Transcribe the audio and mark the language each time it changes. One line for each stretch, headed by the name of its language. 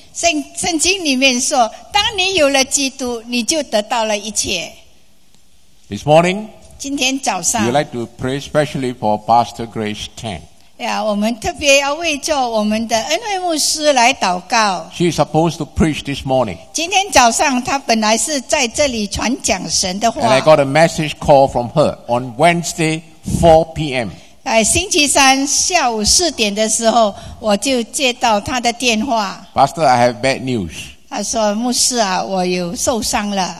Chinese: 圣经里面说, 当你有了基督, 你就得到了一切。
English: This morning,
Chinese: 今天早上,
English: we'd like to pray especially for Pastor Grace Tan.
Chinese: Yeah, 我们特别要为着我们的恩惠牧师来祷告。
English: She's supposed to preach this morning.
Chinese: 今天早上她本来是在这里传讲神的话。
English: And I got a message call from her on Wednesday, 4 p.m.
Chinese: 星期三下午4点的时候, 我就接到她的电话。
English: Pastor, I have bad news.
Chinese: 他说,牧师啊, 我有受伤了。